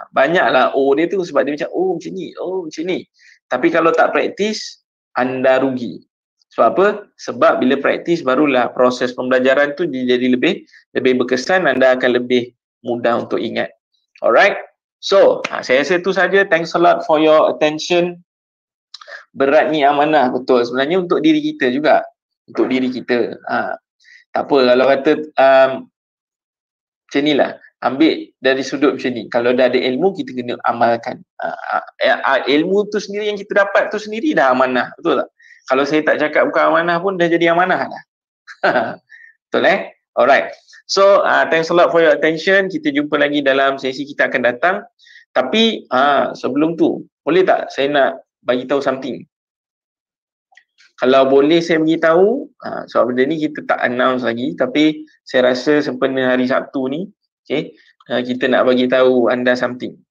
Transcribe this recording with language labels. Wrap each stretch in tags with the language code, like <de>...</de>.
<ms>Banyaklah oh dia tu sebab dia macam, oh macam ni. Tapi kalau tak practice, anda rugi. Sebab apa? Sebab bila practice, barulah proses pembelajaran tu dia jadi lebih berkesan, anda akan lebih mudah untuk ingat.</ms> <en>Alright,</en> <ms>so saya rasa tu saja.</ms> <en>Thanks a lot for your attention.</en> <ms>Berat ni amanah, betul. Sebenarnya untuk diri kita juga. Untuk diri kita. Tak apa, kalau kata macam ni lah. Ambil dari sudut macam ni. Kalau dah ada ilmu, kita kena amalkan. Ilmu tu sendiri yang kita dapat tu sendiri dah amanah. Betul tak? Kalau saya tak cakap bukan amanah pun, dah jadi amanah lah. Betul eh? Alright.</ms> <en>So, thanks a lot for your attention.</en> <ms>Kita jumpa lagi dalam sesi kita akan datang. Tapi, sebelum tu, boleh tak saya nak bagi tahu something. Kalau boleh saya bagi tahu, sebab benda ni kita tak announce lagi, tapi saya rasa sempena hari Sabtu ni, okay, kita nak bagi tahu anda something.</ms>